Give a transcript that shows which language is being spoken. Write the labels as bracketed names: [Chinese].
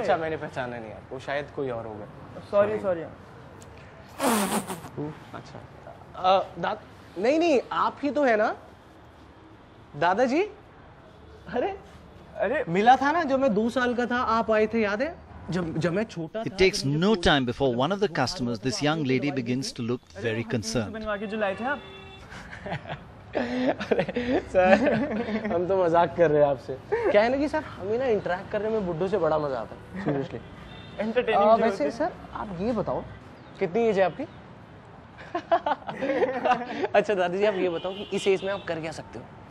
[Hindi] अच्छा मैंने पहचाना नहीं आपको, शायद कोई और होगा। Sorry sorry. अच्छा नहीं नहीं, आप ही तो है ना दादाजी? अरे अरे मिला था ना, जब मैं 2 साल का था आप आए थे, याद है? जब मैं छोटा था। [English] It takes no time before one of the customers, this young lady, begins to look very concerned. [Hindi] बनवा के जो लाए थे आप? अरे सर हम तो मजाक कर रहे हैं आपसे। क्या है ना कि सर हमें ना इंटरेक्ट करने में बुड्ढों से बड़ा मजा आता है, सीरियसली [English] Entertaining. [Hindi] वैसे सर आप ये बताओ कितनी एज है आपकी? अच्छा दादी जी आप ये बताओ कि इस एज में आप कर क्या सकते हो,